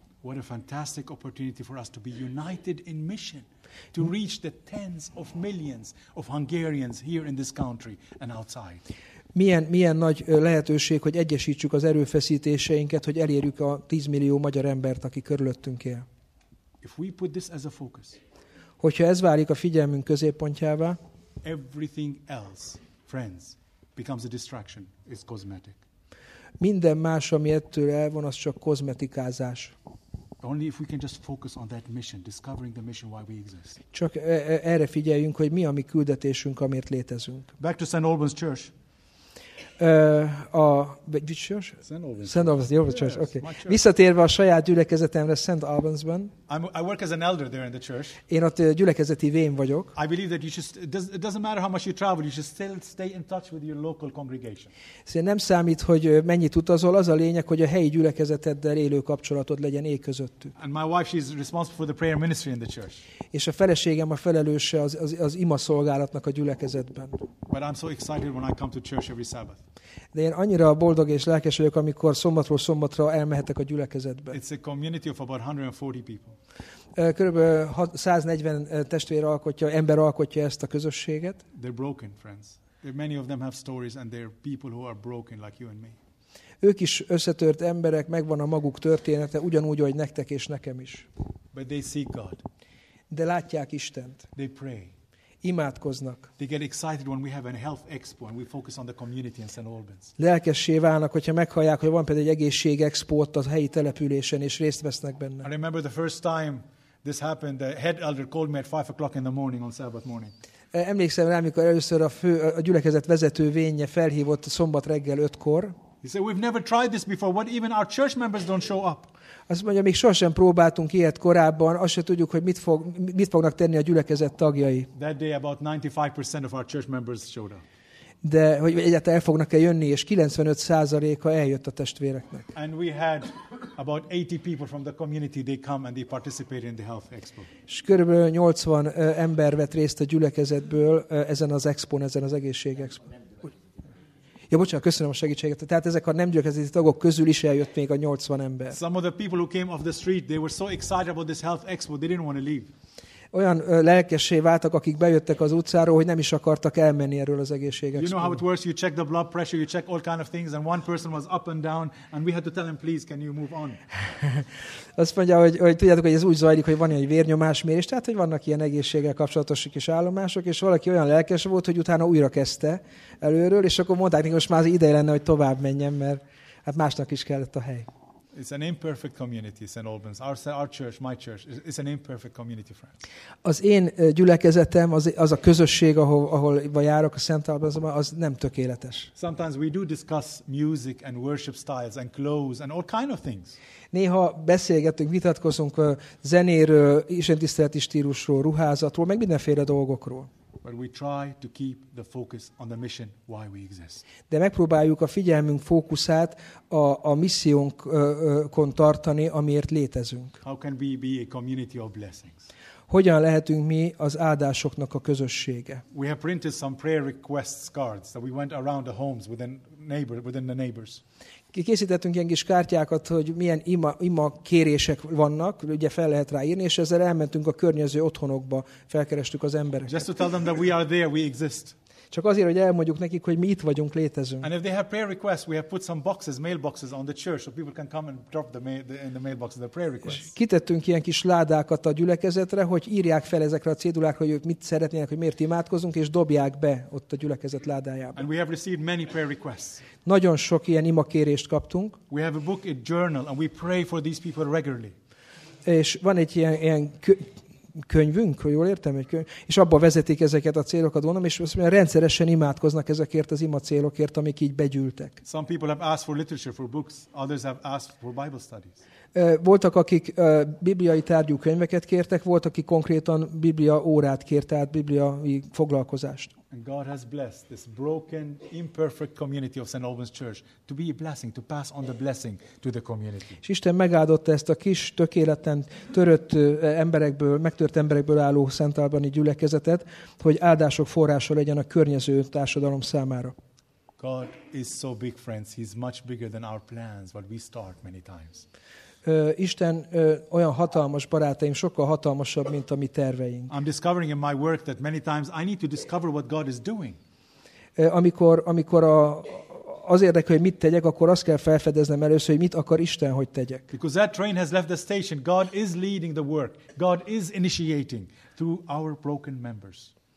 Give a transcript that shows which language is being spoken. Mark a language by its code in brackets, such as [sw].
[en] What a fantastic opportunity for us to be united in mission. To reach the tens of millions of Hungarians here in this country and outside. [hu] Milyen nagy lehetőség, hogy egyesítsük az erőfeszítéseinket, hogy elérjük a 10 millió magyar embert, aki körülöttünk él. [en] If we put this as a focus, [hu] hogyha ez válik a figyelmünk középpontjává, [en] everything else, friends, becomes a distraction. It's cosmetic. [hu] Minden más, ami ettől elvon, az csak kozmetikázás. [en] Only if we can just focus on that mission, discovering the mission why we exist. [hu] Csak erre figyeljünk, hogy mi a mi küldetésünk, amiért létezünk. [en] Back to St. Albans Church. St. Albans Church. Yes, okay. [hu] Visszatérve a saját gyülekezetemre St. Albans-ban. [en] I work as an elder there in the church. [hu] Én ott gyülekezeti vén vagyok. [en] I believe that you just it doesn't matter how much you travel, you should still stay in touch with your local congregation. [hu] Szóval nem számít, hogy mennyit utazol, az a lényeg, hogy a helyi gyülekezeteddel élő kapcsolatod legyen ég közöttük. [en] And my wife, she's responsible for the prayer ministry in the church. [hu] És a feleségem a felelőse az ima szolgálatnak a gyülekezetben. [en] But I'm so excited when I come to church every Sabbath. [hu] De én annyira boldog és lelkes vagyok, amikor szombatról szombatra elmehetek a gyülekezetbe. [en] It's a community of about 140 people. [hu] Körülbelül 140 testvér alkotja, ember alkotja ezt a közösséget. [en] They're broken, friends. Many of them have stories and they're people who are broken like you and me. [hu] Ők is összetört emberek, megvan a maguk története, ugyanúgy, ahogy nektek és nekem is. [en] But they seek God. [hu] De látják Istent. [en] They pray. [hu] Imádkoznak. [en] They get excited when we have a health expo and we focus on the community in St. Albans. [hu] Lelkessé válnak, hogyha meghallják, hogy van például egy egészség expo a helyi településen és részt vesznek benne. [en] I remember the first time this happened, the head elder called me at 5 o'clock in the morning on Sabbath morning. [hu] Emlékszem rá, amikor először a gyülekezet vezető vénje felhívott szombat reggel 5-kor. [en] He said, we've never tried this before. What even our church members don't show up. [hu] Azt mondja, még sohasem próbáltunk ilyet korábban, azt se tudjuk, hogy mit fognak tenni a gyülekezet tagjai. [en] That day about 95% of our church members showed up. [hu] De hogy egyáltalán el fognak-e jönni, és 95%-a eljött a testvéreknek. [en] And we had about 80 people from the community, they come and they participate in the health expo. [hu] És körülbelül 80 ember vett részt a gyülekezetből ezen az expon, ezen az egészség expon. Ja, bocsánat, köszönöm a segítséget. Tehát ezek a nem gyülekezeti tagok közül is eljött még a 80 ember. [en] Some of the people who came off the street, they were so excited about this health expo, they didn't want to leave. [hu] Olyan lelkessé váltak, akik bejöttek az utcáról, hogy nem is akartak elmenni erről az egészségekről. [en] You know how it works, you check the blood pressure, you check all kind of things, and one person was up and down, and we had to tell him, please, can you move on? [hu] Azt mondja, hogy tudjátok, hogy ez úgy zajlik, hogy van egy vérnyomásmérés, tehát, hogy vannak ilyen egészséggel kapcsolatos kis állomások, és valaki olyan lelkes volt, hogy utána újra kezdte előről, és akkor mondták, hogy most már az ideje lenne, hogy tovább menjen, mert hát másnak is kellett a hely. [en] It's an imperfect community, St. Albans. Our church, my church, it's an imperfect community, friends. [hu] Az én gyülekezetem, az a közösség, ahol járok a St. Albansban, az nem tökéletes. [en] Sometimes we do discuss music and worship styles and clothes and all kind of things. [hu] Néha beszélgetünk, vitatkozunk zenéről, istentiszteleti stílusról, ruházatról, meg mindenféle dolgokról. [en] But we try to keep the focus on the mission why we exist. [hu] De megpróbáljuk a figyelmünk fókuszát a missziónkon tartani, amiért létezünk. [en] How can we be a community of blessings? [hu] Hogyan lehetünk mi az áldásoknak a közössége? [en] We have printed some prayer requests cards that we went around the homes within the neighbors. [hu] Készítettünk ilyen kis kártyákat, hogy milyen ima kérések vannak, ugye fel lehet ráírni, és ezzel elmentünk a környező otthonokba, felkerestük az embereket. [en] Just to tell them that we are there, we exist. [hu] Csak azért, hogy elmondjuk nekik, hogy mi itt vagyunk, létezünk. [en] And if they have prayer requests, we have put some boxes, mailboxes on the church, so people can come and drop them in the mailboxes their prayer requests. [hu] Kitettünk ilyen kis ládákat a gyülekezetre, hogy írják fel ezekre a cédulákra, hogy ők mit szeretnének, hogy miért imádkozunk, és dobják be ott a gyülekezet ládájába. [en] And we have received many prayer requests. [hu] Nagyon sok ilyen imakérést kaptunk. [en] We have a book, a journal, and we pray for these people regularly. [hu] És van egy ilyen könyvünk, hogy jól értem, egy könyv, és abban vezetik ezeket a célokat, mondom, és rendszeresen imádkoznak ezekért az ima célokért, amik így begyűltek. [en] Some people have asked for literature, for books, others have asked for Bible studies. [hu] Voltak, akik bibliai tárgyú könyveket kértek, volt, aki konkrétan biblia órát kért, tehát bibliai foglalkozást. [en] And God has blessed this broken, imperfect community of St. Albans Church to be a blessing, to pass on the blessing to the community. [hu] És Isten megáldotta ezt a kis, tökéleten törött emberekből, megtört emberekből álló St. Albani gyülekezetet, hogy áldások forrása legyen a környező társadalom számára. [en] God is so big, friends. He's much bigger than our plans, what we start many times. [hu] Isten olyan hatalmas, barátaim, sokkal hatalmasabb, mint a mi terveink. [en] I'm discovering in my work that many times I need to discover what God is doing. [hu] Amikor az érdekel, hogy mit tegyek, akkor azt kell felfedeznem először, hogy mit akar Isten, hogy tegyek. [en] Because that train has left the station. God is leading the work. God is initiating through our broken members.